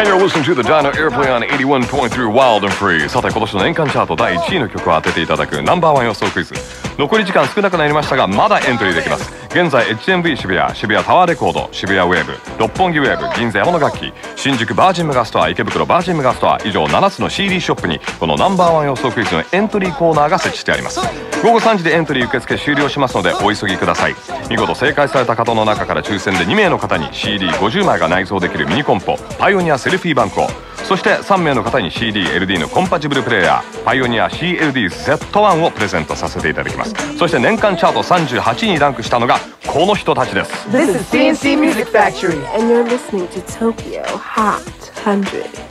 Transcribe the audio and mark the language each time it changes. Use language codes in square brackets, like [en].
[en] And you're listening to the Dino Airplay on 81.3 Wild and Free. [ja] さて、今年の年間チャート第1位の曲を当てていただくナンバーワン予想クイズ。残り時間少なくなりましたが、まだエントリーできます。現在 HMV 渋谷、渋谷タワーレコード、渋谷ウェーブ、六本木ウェーブ、銀座山の楽器、新宿バージンメガストア、池袋バージンメガストア、以上7つの CD ショップにこのナンバーワン予想クイズのエントリーコーナーが設置してあります。午後3時でエントリー受付終了しますのでお急ぎください。見事正解された方の中から抽選で2名の方に CD50 枚が内蔵できるミニコンポパイオニアセルフィーバンクを、そして3名の方に CD-LD のコンパチブルプレイヤーパイオニア CLD-Z1 をプレゼントさせていただきます。そして年間チャート38位にランクしたのがこの人たちです。 [en] This is DNC Music Factory and you're listening to Tokyo Hot 100.